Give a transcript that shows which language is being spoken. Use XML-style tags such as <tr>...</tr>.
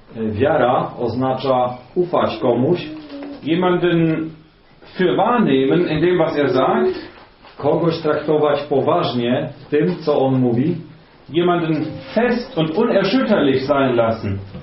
<pl>Wiara oznacza ufać komuś.</pl> <de>Jemanden für wahrnehmen in dem, was er sagt.</de> <pl>Kogoś traktować poważnie w tym, co on mówi.</pl> <de>Jemanden fest und unerschütterlich sein lassen.</de>